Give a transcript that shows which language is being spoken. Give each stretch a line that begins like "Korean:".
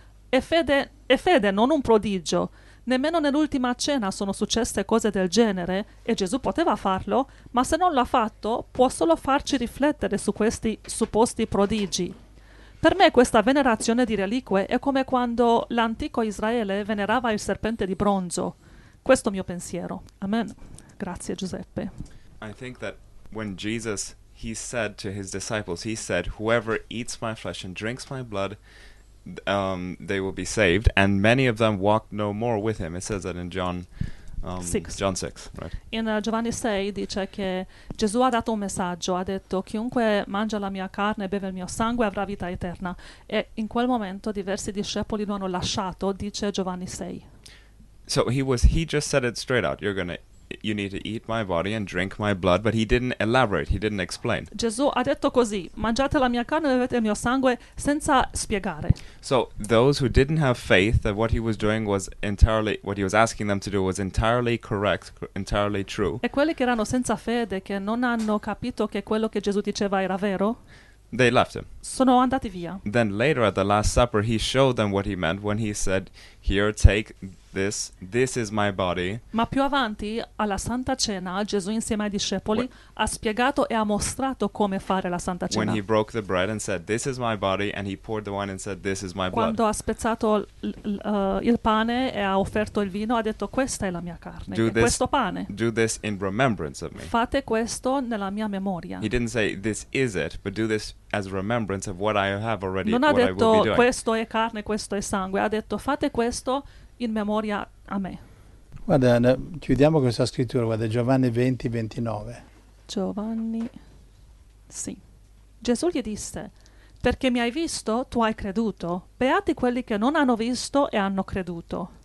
Italian: È fede, non un prodigio. Nemmeno nell'ultima cena sono successe cose del genere e Gesù poteva farlo, ma se non l'ha fatto, può solo farci riflettere su questi supposti prodigi. Per me questa venerazione di reliquie è come quando l'antico Israele venerava il serpente di bronzo. Questo è il mio pensiero. Amen. Grazie, Giuseppe.
English: I think that when Jesus he said to his disciples, he said, whoever eats my flesh and drinks my blood, they will be saved, and many of them walk no more with him. It says that in John 6, right?
Italian: In Giovanni 6 dice che Gesù ha dato un messaggio, ha detto chiunque mangia la mia carne e beve il mio sangue avrà vita eterna, e in quel momento diversi discepoli lo hanno lasciato, dice Giovanni 6.
English: So he just said it straight out, you need to eat my body and drink my blood, but he didn't elaborate, he didn't explain.
Italian: Gesù ha detto così, mangiate la mia carne e bevete il mio sangue, senza spiegare.
English: So those who didn't have faith that what he was doing was entirely, what he was asking them to do was entirely correct, entirely true.
Italian: E quelli che erano senza fede, che non hanno capito che quello che Gesù diceva era vero.
English: They left him.
Italian: Sono andati via.
English: Then later at the Last Supper, he showed them what he meant when he said, "Here, take this. This is my body."
Italian: Ma più avanti, alla Santa Cena, Gesù insieme ai discepoli ha spiegato e ha mostrato come fare la Santa Cena.
English: When he broke the bread and said, "This is my body," and he poured the wine and said, "This is my
Italian: Quando Quando ha spezzato il pane e ha offerto il vino, ha detto, "Questa è la mia carne, questo pane."
English: Do this in remembrance of me.
Italian: Fate questo nella mia memoria.
English: He didn't say, "This is it," but do this as remembrance of what I have already.
Italian: Non ha
English: what
Italian: detto
English: I will be doing.
Italian: Questo è carne, questo è sangue. Ha detto, "Fate questo in memoria a me." Guarda, chiudiamo questa scrittura, guarda, Giovanni 20:29. Giovanni, sì. Gesù gli disse, "Perché mi hai visto, tu hai creduto. Beati quelli che non hanno visto e hanno creduto."